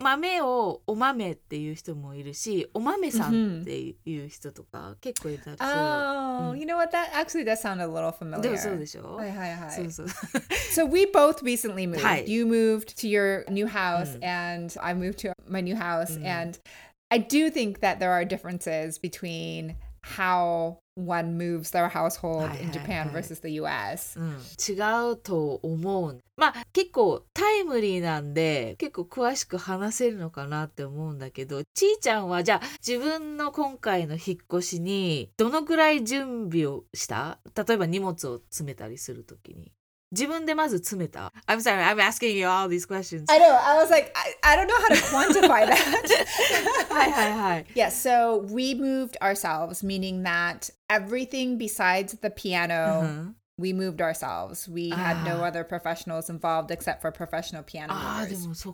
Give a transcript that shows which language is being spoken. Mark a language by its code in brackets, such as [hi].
[ja] 豆をお豆っていう人もいるし、お豆さんっていう人とか結構いたし、 [en] Oh, you know what? That actually does sound a little familiar. [ja] でもそうでしょ？はいはいはい。そうそう。 [en] So we both recently moved.、はい、you moved to your new house、うん、and I moved to my new house、うん、and I do think that there are differences between how one moves their household、はいはいはい、in Japan versus the US.、 [ja] うん、違うと思う。まあ、結構タイムリーなんで結構詳しく話せるのかなって思うんだけど、ちーちゃんはじゃあ自分の今回の引っ越しにどのくらい準備をした？例えば荷物を詰めたりするときに自分でまず詰めた。 [en] I'm sorry, I'm asking you all these questions. I know, I was like, I don't know how to quantify that. はいはいはい。 Yeah, so we moved ourselves, meaning that everything besides the piano、uh-huh. We moved ourselves. We had no other professionals involved except for professional piano movers.